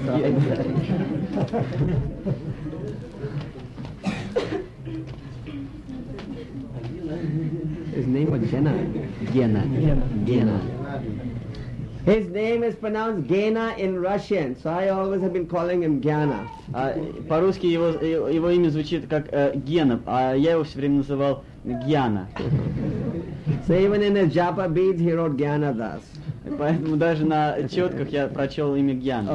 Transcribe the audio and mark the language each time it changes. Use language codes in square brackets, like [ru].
[en] His name was Jenna. Gyana. Gyana. His name is pronounced Gena in Russian, so I always have been calling him Gyana. [ru] По-русски его имя звучит как Гена, а я его все время называл Гьяна. [en] So even in his japa beads, he wrote Gyana Das. [ru] Поэтому даже на четках я прочел имя Гьяна.